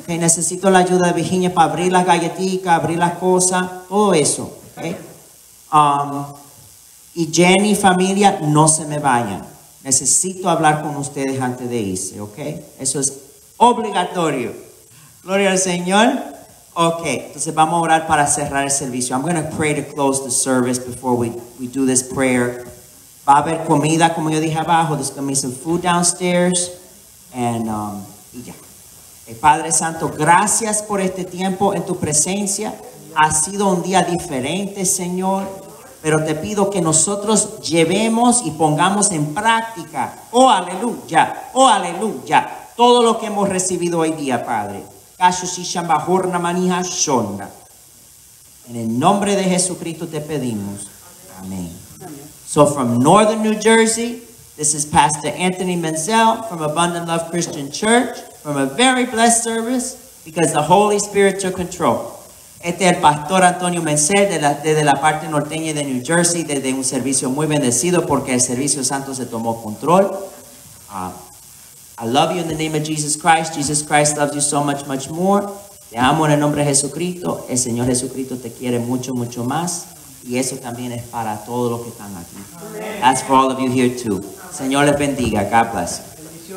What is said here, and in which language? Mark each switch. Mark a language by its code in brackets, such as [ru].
[es] okay, necesito la ayuda de Virginia para abrir las galletitas, abrir las cosas, todo eso. Okay. Y Jenny, familia, no se me vayan. Necesito hablar con ustedes antes de irse, okay? Eso es obligatorio. Gloria al Señor. Okay, entonces vamos a orar para cerrar el servicio. [en] I'm going to pray to close the service before we do this prayer. [es] Va a haber comida, como yo dije abajo. [en] There's going to be some food downstairs. [es] And, y ya. Hey, Padre Santo, gracias por este tiempo en tu presencia. Ha sido un día diferente, Señor. Pero te pido que nosotros llevemos y pongamos en práctica. Oh, aleluya. Oh, aleluya. Todo lo que hemos recibido hoy día, Padre. En el nombre de Jesucristo te pedimos. Amén. [en] So from Northern New Jersey, this is Pastor Anthony Menzel from Abundant Love Christian Church from a very blessed service because the Holy Spirit took control. [es] Este es el Pastor Antonio Menzel desde la parte norteña de New Jersey desde un servicio muy bendecido porque el servicio santo se tomó control. [en] I love you in the name of Jesus Christ. Jesus Christ loves you so much, much more. [es] Te amo en el nombre de Jesucristo. El Señor Jesucristo te quiere mucho, mucho más. Y eso también es para todos los que están aquí. [en] Amen. That's for all of you here too. [es] Señor les bendiga. [en] God bless you.